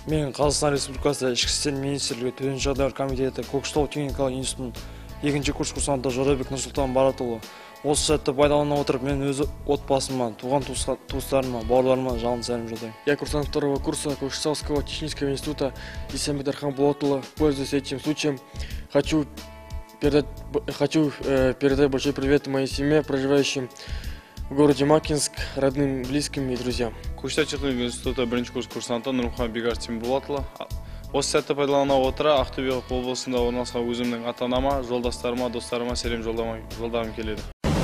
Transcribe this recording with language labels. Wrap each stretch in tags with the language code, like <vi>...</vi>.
<kk>Қазақстан Республикасы Ішкі істер министрлігі төтенше жағдайлар комитеті Көкшетау техникалық институтының екінші курс курсанты Жорабек Нұрсұлтан Баратұлы. Осы сәтті пайдалана отырып, мен өз отбасыма, туған туыстарыма, бауырларыма жалынды сәлем жолдаймын.</kk> <ru>Я курсант второго курса Көкшетауского технического института Исамбек Дархан Болатұлы. Пользуясь этим случаем, хочу передать большой привет моей семье, проживающим в городе Макинск, родным, близким и друзьям.</ru> <kk>Көкшетау техникалық институты бірінші курс курсанты Нұрмұхан Бигар Тимболатұлы. Осы сәтті пайдалана отыра, Ақтөбе облысында орналасқан өзімнің ата-анама, жолдастарыма, достарыма сәлем жолдағым келеді.</kk>